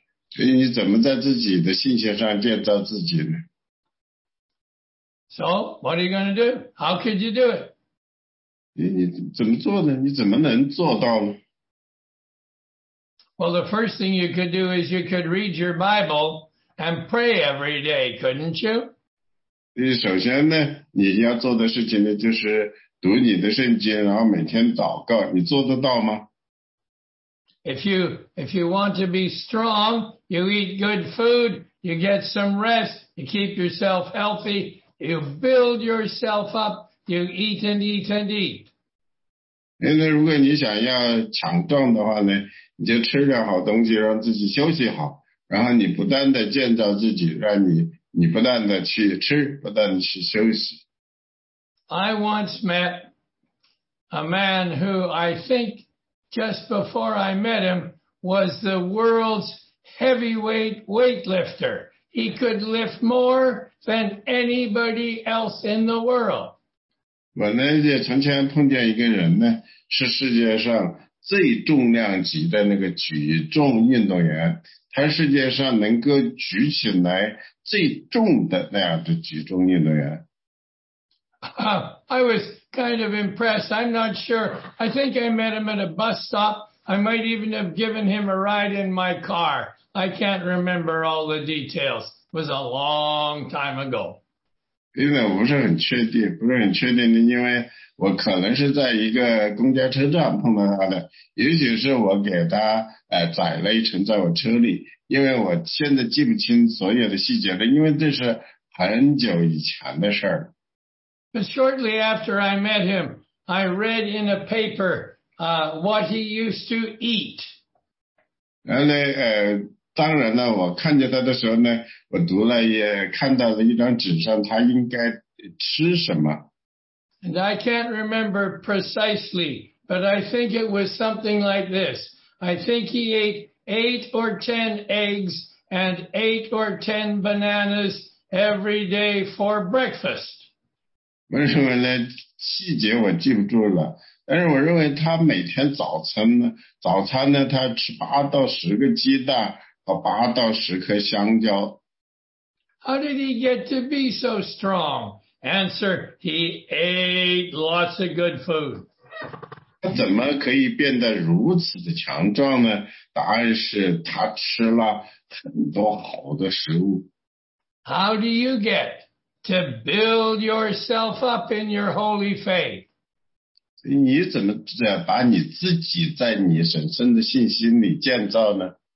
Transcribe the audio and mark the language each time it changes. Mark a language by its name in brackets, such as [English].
[Chinese] 所以你怎么在自己的信心上建造自己呢 [English] ？So what are you going to do? How could you do it? [Chinese] 你怎么做呢？你怎么能做到呢？ [English] Well, the first thing you could do is you could read your Bible and pray every day, couldn't you? [Chinese] 首先呢，你要做的事情呢，就是读你的圣经，然后每天祷告。你做得到吗？ [English] If you want to be strong, you eat good food, you get some rest, you keep yourself healthy, you build yourself up. You eat and eat and eat. [Chinese] 因为如果你想要强壮的话呢，你就吃点好东西，让自己休息好，然后你不断的建造自己，让你不断的去吃，不断的去休息。 [English] I once met a man who I think just before I met him was the world's heavyweight weightlifter. He could lift more than anybody else in the world. [Chinese] 我呢也从前碰见一个人呢，是世界上最重量级的那个举重运动员，他世界上能够举起来最重的那样的举重运动员。 [English] I was kind of impressed. I'm not sure. I think I met him at a bus stop. I might even have given him a ride in my car. I can't remember all the details. It was a long time ago. [Chinese] 因为我不是很确定的，因为我可能是在一个公交车站碰到他的，也许是我给他载了一程在我车里，因为我现在记不清所有的细节了，因为这是很久以前的事儿。 [English] But shortly after I met him, I read in a paper, what he used to eat. [Chinese] 然后呢，当然了，我看见他的时候呢，我读了也看到了一张纸上他应该吃什么。 [English] And I can't remember precisely, but I think it was something like this. I think he ate 8 or 10 eggs and 8 or 10 bananas every day for breakfast. [Chinese] 为什么呢？细节我记不住了。但是我认为他每天早餐呢，他吃8到10个鸡蛋。 8到10颗香蕉。 [English] How did he get to be so strong? Answer, he ate lots of good food. [Chinese] 怎么可以变得如此的强壮呢？答案是他吃了很多好的食物。 [English] How do you get to build yourself up in your holy faith? [Chinese] 你怎么把你自己在你神圣的信心里建造呢？